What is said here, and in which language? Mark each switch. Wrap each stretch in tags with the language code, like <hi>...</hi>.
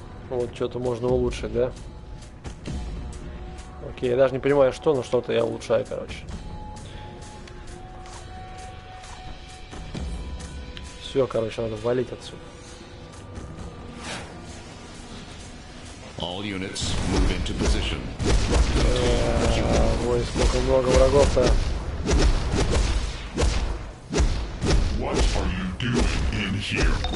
<ru>Вот что-то можно улучшить, да? Окей, я даже не понимаю, что, но что-то я улучшаю, короче. Все, короче, надо валить отсюда.</ru> <en>All units move into position.</en> <ru>Ой, сколько много врагов-то.</ru> <en>What are you doing in here?</en>